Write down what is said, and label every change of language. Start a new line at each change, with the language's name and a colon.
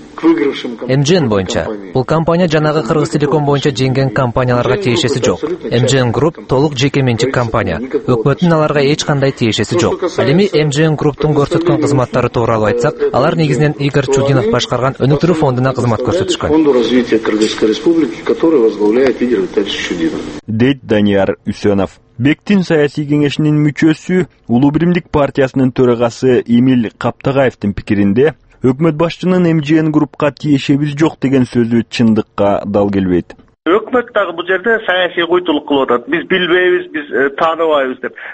Kyrgyz: MGN боюнча, бул компания жанагы Кыргызтелеком боюнча жеңген компанияларга тиешеси жок. MGN Group толук жеке менчик компания. Өкмөттүн аларга эч кандай тиешеси жок. Ал эми MGN Group'тун көрсөткөн кызматтары тууралуу айтсак, алар негизинен Игорь Чудинов башкарган өнүктүрүү фондуна кызмат көрсөтүшкөн.
Russian: Фонду развития Кыргызской Республики, который возглавляет Игорь Витальевич Чудинов.
Kyrgyz: Дейт Данияр Үсөнов. Бектин саясий кеңешинин мүчөсү, Улуу Биримдик партиясынын төрагасы Эмиль Каптагаевдин пикиринде өкмөт башчынын MGN Group'ка тиешебиз жок деген сөзү чындыкка дал келбейт. Өкмөт дагы бул жерде саясий куйтулук кылып атат. Биз билбейбиз, биз тааныбайбыз деп.